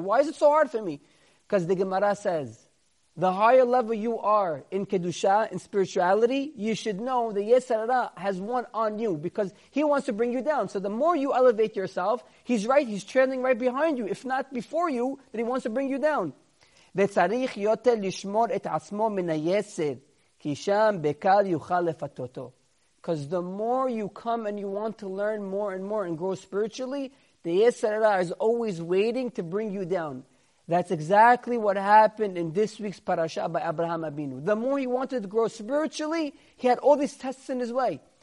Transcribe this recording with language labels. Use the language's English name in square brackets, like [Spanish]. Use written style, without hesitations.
[English] Why is it so hard for me? Because the Gemara says, the higher level you are in Kedusha, in spirituality, you should know the Yetzer Hara has one on you because he wants to bring you down. So the more you elevate yourself, he's right, he's trailing right behind you. If not before you, then he wants to bring you down. [Hebrew] וצריך יותר לשמור את עצמו מן היסד, כי שם בקל יוכל לפתותו. [English] Because the more you come and you want to learn more and more and grow spiritually, the Yetzer Hara is always waiting to bring you down. That's exactly what happened in this week's parasha by Abraham Avinu. The more he wanted to grow spiritually, he had all these tests in his way.